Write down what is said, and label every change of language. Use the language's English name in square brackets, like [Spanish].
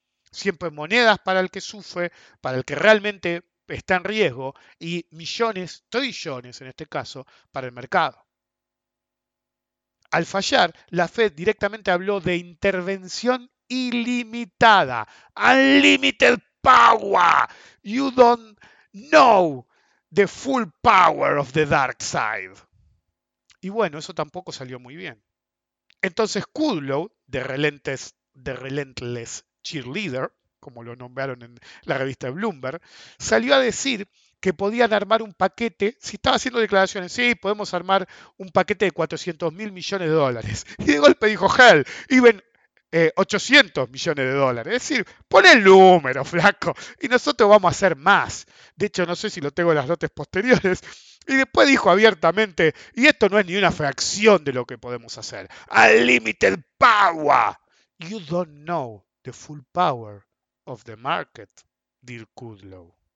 [Spanish] Siempre monedas para el que sufre, para el que realmente está en riesgo, y millones, trillones en este caso, para el mercado. Al fallar, la Fed directamente habló de intervención ilimitada, [English] unlimited power. You don't know the full power of the dark side. [Spanish] Y bueno, eso tampoco salió muy bien. Entonces Kudlow, [English] the relentless cheerleader, [Spanish] como lo nombraron en la revista Bloomberg, salió a decir que podían armar un paquete, si estaba haciendo declaraciones, sí, podemos armar un paquete de $400 mil millones. Y de golpe dijo, [English] hell, even [Spanish] 800 millones de dólares. Es decir, pon el número, flaco, y nosotros vamos a hacer más. De hecho, no sé si lo tengo en las notas posteriores. Y después dijo abiertamente, y esto no es ni una fracción de lo que podemos hacer. [English] Unlimited power. You don't know the full power of the market, dear Kudlow.